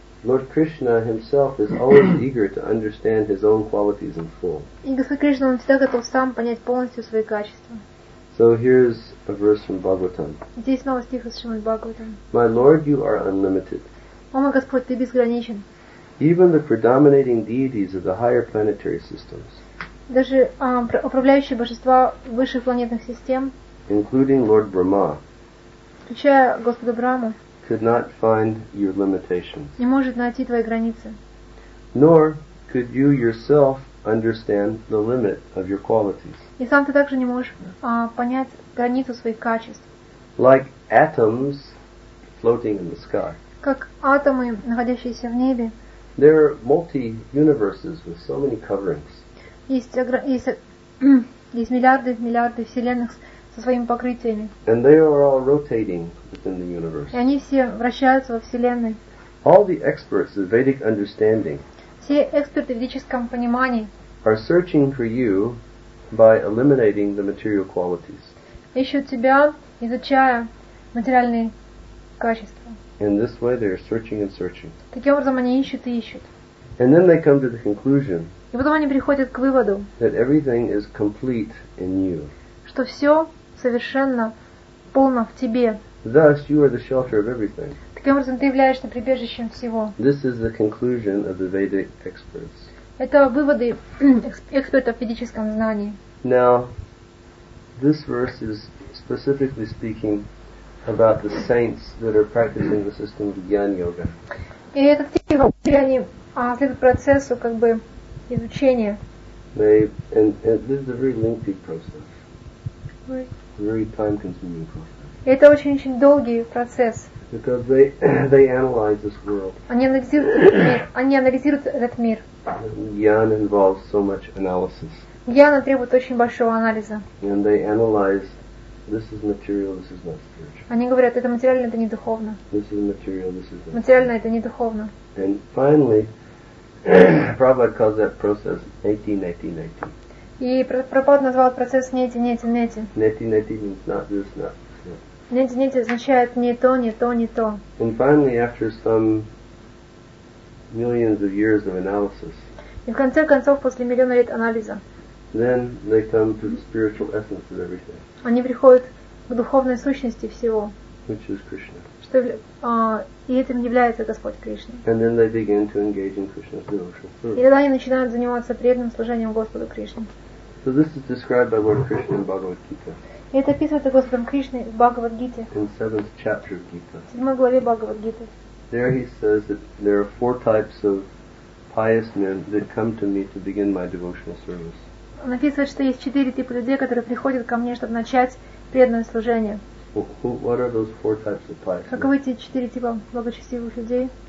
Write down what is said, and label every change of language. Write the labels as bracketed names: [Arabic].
[English] Lord Krishna himself is always eager to understand his own qualities in full. [Russian] И Господь Кришна, он всегда готов сам понять полностью свои качества. [English] So here's a verse from Bhagavatam. [Russian] Здесь снова стих из Шримад Бхагаватам. [English] My Lord, you are unlimited. [Russian] О мой Господь, ты безграничен. [English] Even the predominating deities of the higher planetary systems, [Russian] даже управляющие божества высших планетных систем, [English] including Lord Brahma, [Russian] включая Господа Брахму, [English] could not find your limitations. [Russian] Не может найти твои границы. [English] Nor could you yourself understand the limit of your qualities. [Russian] И сам ты также не можешь понять границу своих качеств. [English] Like atoms floating in the sky. [Russian] Как атомы, находящиеся в небе. [English] There are multi-universes with so many coverings. [Russian] Есть миллиарды, миллиарды вселенных со своими покрытиями. [English] And they are all rotating within the universe. [Russian] И они все вращаются во вселенной. [English] All the experts of Vedic understanding. [Russian] Все эксперты в ведическом понимании. [English] Are searching for you by eliminating the material qualities. [Russian] Ищут тебя, изучая материальные качества. [English] In this way, they are searching and searching. [Russian] Таким образом они ищут и ищут. [English] And then they come to the conclusion. [Russian] И потом они приходят к выводу. [English] That everything is complete in you. [Russian] Что все совершенно полно в тебе. [English] Thus, you are the shelter of everything. [Russian] Таким образом ты являешься прибежищем всего. [English] This is the conclusion of the Vedic experts. [Russian] Это выводы экспертов в ведическом знании. [English] Now, this verse is specifically speaking about the saints that are practicing the system of Gyan Yoga. [Russian] И этот стих говорит о следует процессу как бы изучения. [English] And this is a very lengthy process. Right. Very time-consuming process. [Russian] Это очень-очень долгий процесс. [English] Because they analyze this world. [Russian] Они анализируют этот мир. [English] Gyan involves so much analysis. [Russian] Гьяна требует очень большого анализа. [English] And they analyze. This is material, this is not spiritual. [Russian] Они говорят, это материально, это не духовно. [English] This is material, this is not. [Russian] Материально это не духовно. [English] And finally, Prabhupada calls that process neti neti neti. [Russian] И Прабхупада назвал процесс нети нети нети. [English] Neti neti means not this, not this. [Russian] Нети нети означает не то, не то, не то. [English] And finally, after some millions of years of analysis. [Russian] И в конце концов после миллиона лет анализа. [English] Then they come to the spiritual essence of everything. [Russian] Они приходят к духовной сущности всего. [English] Which is Krishna. [Russian] Что, и этим является Господь Кришна. [English] And then they begin to engage in Krishna's devotional service. [Russian] И тогда они начинают заниматься преданным служением Господу Кришне. [English] So this is described by Lord Krishna in Bhagavad Gita. [Russian] И это описывается Господом Кришной в Бхагавад Гите. [English] In seventh chapter of Gita. [Russian] В седьмой главе Бхагавад Гиты. [English] There he says that there are four types of pious men that come to me to begin my devotional service. [Russian] Он описывает, что есть четыре типа людей, которые приходят ко мне, чтобы начать преданное служение. [English] What are those four types of pious? [Russian] Каковы эти четыре типа благочестивых людей?